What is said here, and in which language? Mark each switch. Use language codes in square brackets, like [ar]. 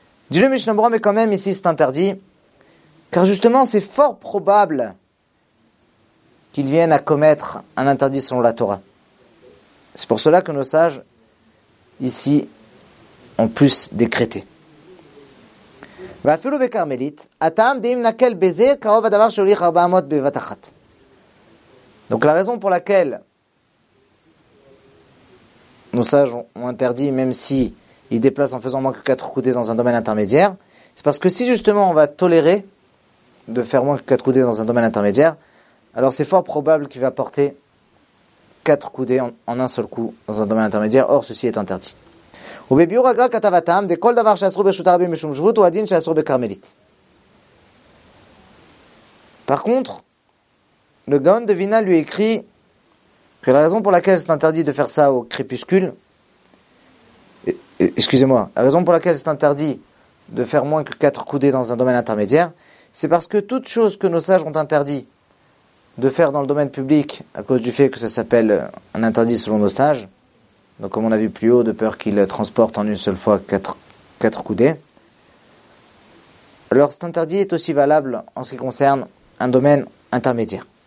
[fr] Dit le Mishnah Berurah, mais quand même, ici, c'est interdit, car justement, c'est fort probable qu'il vienne à commettre un interdit selon la Torah. C'est pour cela que nos sages, ici, ont plus décrété. [he] ואפילו בקרמלית, הטעם דאם נקל בזה קרוב הדבר שהוליך 400 בבת אחת. [fr] Donc la raison pour laquelle nos sages ont interdit, même si ils déplacent en faisant moins que 4 coudées dans un domaine intermédiaire, c'est parce que si justement on va tolérer de faire moins que 4 coudées dans un domaine intermédiaire, alors c'est fort probable qu'il va porter 4 coudées en un seul coup dans un domaine intermédiaire, or ceci est interdit. [he] ובביור הגרא כתב הטעם, דכל דבר שאסרו ברשות הרבים משום שבות, הוא הדין שאסרו בקרמלית. [fr] Par contre, le Gaon de Vina lui écrit que la raison pour laquelle c'est interdit de faire ça au crépuscule, excusez-moi, la raison pour laquelle c'est interdit de faire moins que 4 coudées dans un domaine intermédiaire, c'est parce que toute chose que nos sages ont interdit de faire dans le domaine public, à cause du fait que ça s'appelle un interdit selon nos sages, donc comme on a vu plus haut, de peur qu'ils transportent en une seule fois 4 coudées, alors cet interdit est aussi valable en ce qui concerne un domaine intermédiaire.